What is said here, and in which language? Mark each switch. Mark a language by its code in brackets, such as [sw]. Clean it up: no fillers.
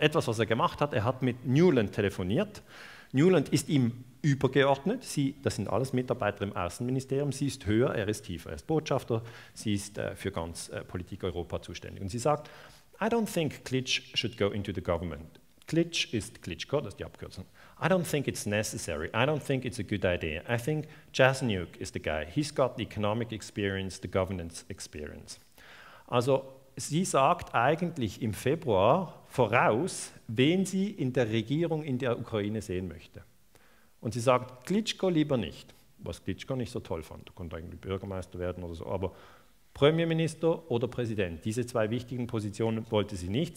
[de] Etwas, was er gemacht hat, er hat mit Nuland telefoniert. Nuland ist ihm übergeordnet. Das sind alles Mitarbeiter im Außenministerium. Sie ist höher, er ist tiefer. Er ist Botschafter, sie ist für ganz Politik Europa zuständig. Und sie sagt, [en] I don't think Klitsch should go into the government. [de] Klitsch ist Klitschko, das ist die Abkürzung. [en] I don't think it's necessary. I don't think it's a good idea. I think Jasniuk is the guy. He's got the economic experience, the governance experience. [de] Also sie sagt eigentlich im Februar voraus, wen sie in der Regierung in der Ukraine sehen möchte. Und sie sagt Klitschko lieber nicht, was Klitschko nicht so toll fand. Du konntest eigentlich Bürgermeister werden oder so, aber Premierminister oder Präsident, diese zwei wichtigen Positionen wollte sie nicht.